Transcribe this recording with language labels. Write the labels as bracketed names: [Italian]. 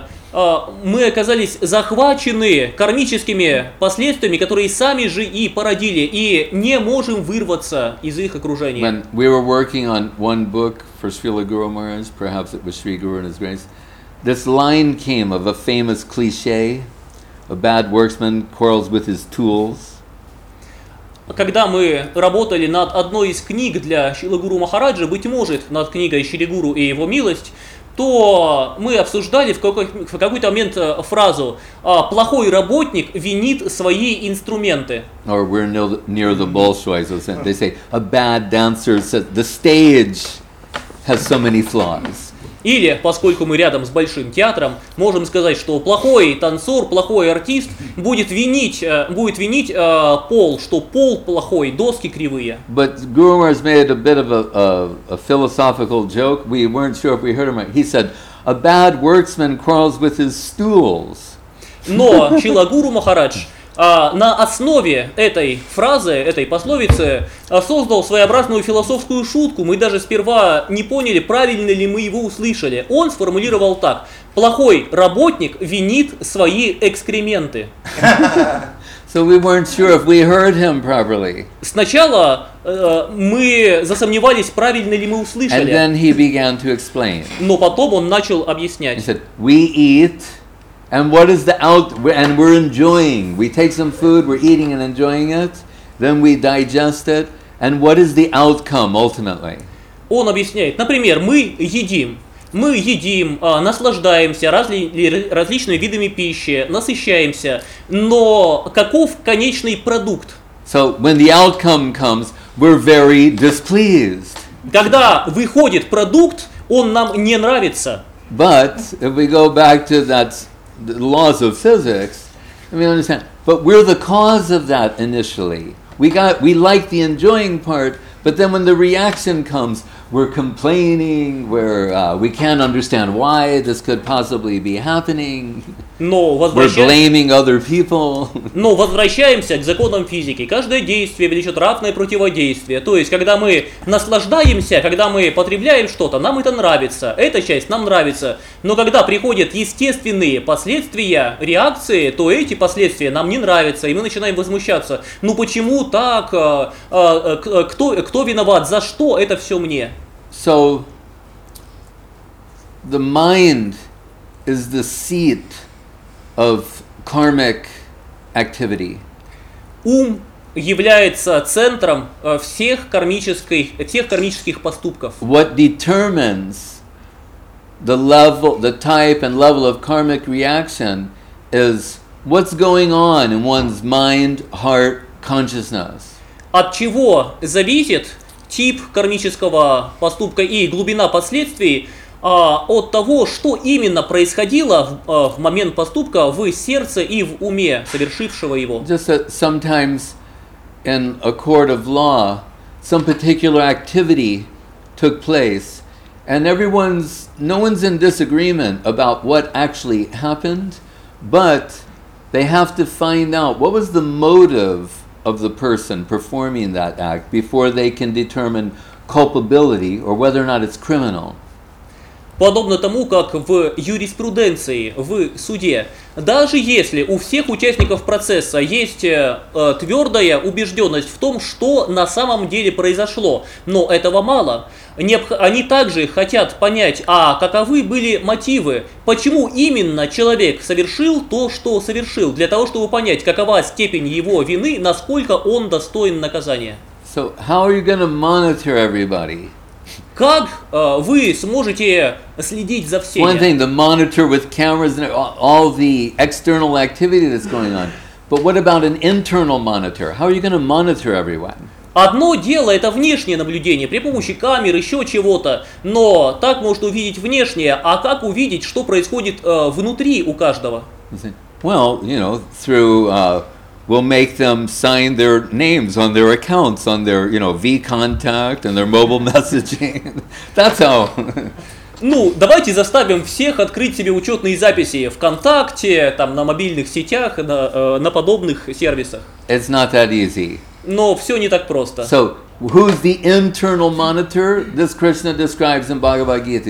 [Russian] Мы оказались захвачены кармическими последствиями, которые сами же и породили, и не можем вырваться из их окружения. [English] When we were working on one book for Srila Guru Maharaj, perhaps it was Sri Guru and His Grace, this line came of a famous cliche: a bad worksman quarrels with his tools. [Russian] Когда мы работали над одной из книг для Шрилы Гуру Махараджи, быть может, над книгой Шри Гуру и его милость, то мы обсуждали в какой-то момент фразу: «Плохой работник винит свои инструменты». [English] Or we're near the Bolshoi, so they say, a bad dancer says, the stage has so many flaws. [Russian] Или, поскольку мы рядом с большим театром, можем сказать, что плохой танцор, плохой артист будет винить пол, что пол плохой, доски кривые. [English] But Guru Maharaj made a bit of a philosophical joke. We weren't sure if we heard him right. He said, a bad worksman quarrels with his stools. [Russian] Но Шрила Гуру Махарадж на основе этой фразы, этой пословицы, создал своеобразную философскую шутку. Мы даже сперва не поняли, правильно ли мы его услышали. Он сформулировал так: плохой работник винит свои экскременты. [English] So we weren't sure if we heard him properly. [Russian] Сначала мы засомневались, правильно ли мы услышали. [English] And then he began to explain. [Russian] Но потом он начал объяснять. [English] He said, we eat. And what is the out? And we're enjoying. We take some food, we're eating and enjoying it. Then we digest it. And what is the outcome ultimately? [Russian] Он объясняет. Например, мы едим, наслаждаемся различными видами пищи, насыщаемся. Но каков конечный продукт? [English] So when the outcome comes, we're very displeased. [Russian] Когда выходит продукт, он нам не нравится. [English] But if we go back to that. The laws of physics, I mean, understand, but we're the cause of that initially. We like the enjoying part, but then when the reaction comes, we're complaining, we can't understand why this could possibly be happening. We're blaming other people. [Russian] Но возвращаемся к законам физики. Каждое действие влечет равное противодействие. То есть, когда мы наслаждаемся, когда мы потребляем что-то, нам это нравится. Эта часть нам нравится. Но когда приходят естественные последствия реакции, то эти последствия нам не нравятся, и мы начинаем возмущаться. Ну почему так? Кто виноват? За что это все мне? [English] So, the mind is the seat of karmic activity. [Russian] Ум является центром всех кармических поступков. [English] What determines the level, the type and level of karmic reaction is what's going on in one's mind, heart, consciousness. [Russian] от чего зависит тип кармического поступка и глубина последствий от того, что именно происходило в момент поступка в сердце и в уме совершившего его. [English] Just sometimes in a court of law, some particular activity took place, and no one's in disagreement about what actually happened, but they have to find out what was the motive of the person performing that act before they can determine culpability or whether or not it's criminal. [Russian] Подобно тому, как в юриспруденции, в суде, даже если у всех участников процесса есть твердая убежденность в том, что на самом деле произошло, но этого мало, они также хотят понять, а каковы были мотивы, почему именно человек совершил то, что совершил, для того, чтобы понять, какова степень его вины, насколько он достоин наказания. [English] So how are you gonna monitor everybody? [Russian] Как вы сможете следить за всеми? [English] One thing, the monitor with cameras and all the external activity that's going on. But what about an internal monitor? How are you going to monitor everyone? [Russian] Одно дело это внешнее наблюдение при помощи камер, еще чего-то. Но так можно увидеть внешнее, а как увидеть, что происходит внутри у каждого? [English] Well, you know, through we'll make them sign their names on their accounts, on their, you know, VKontakte and their mobile messaging. That's how. [Russian] Ну, давайте заставим всех открыть себе учетные записи ВКонтакте, там, на мобильных сетях, на подобных сервисах. [English] It's not that easy. [Russian] Но все не так просто. [English] So, who's the internal monitor? This Krishna describes in Bhagavad Gita.